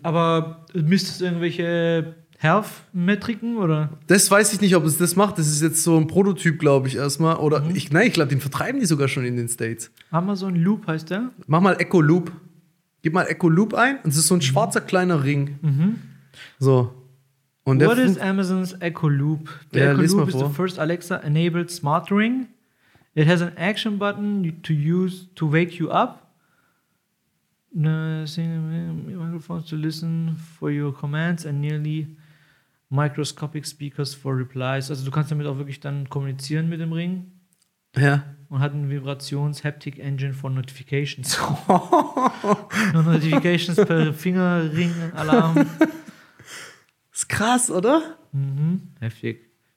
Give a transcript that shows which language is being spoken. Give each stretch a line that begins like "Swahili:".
German: Aber misst es irgendwelche Health-Metriken, oder? Das weiß ich nicht, ob es das macht. Das ist jetzt so ein Prototyp, glaube ich, erstmal. Oder ich glaube, den vertreiben die sogar schon in den States. Amazon Loop heißt der? Mach mal Echo Loop. Gib mal Echo Loop ein und es ist so ein schwarzer kleiner Ring. Mhm. So.
English: Und what is Amazon's Echo Loop?
German: Der Echo Loop mal vor.
English: Is the first Alexa-enabled smart ring. It has an action button to use to wake you up. Microphones to listen for your commands and nearly microscopic speakers for replies.
German: Also du kannst damit auch wirklich dann kommunizieren mit dem Ring. Ja. Und hat einen Vibrations-Haptic-Engine for Notifications. Nur Notifications per Fingerring-Alarm. Ist krass, oder? Mhm, heftig.